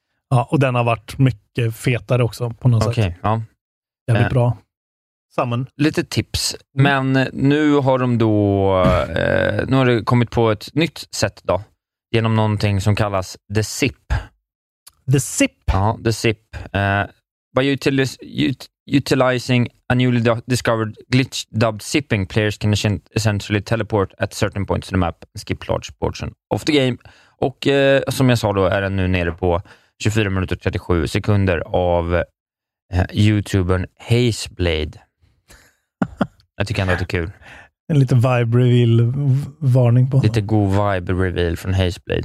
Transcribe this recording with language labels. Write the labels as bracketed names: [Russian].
[Swedish] Ja, och den har varit mycket fetare också på något sätt. Okej, ja. Jävligt bra. Summon. Lite tips. Men nu har de då nu har det kommit på ett nytt sätt då. Genom någonting som kallas The Sip. The Sip? Ja, The Sip. [English] By utilizing a newly discovered glitch dubbed sipping, players can essentially teleport at certain points in the map and skip large portion of the game. [Swedish] Och som jag sa då är den nu nere på 24 minuter 37 sekunder av YouTubern Hazeblade. Jag tycker ändå att det är kul. En lite vibe reveal varning på honom. Lite god vibe reveal från Hazeblade.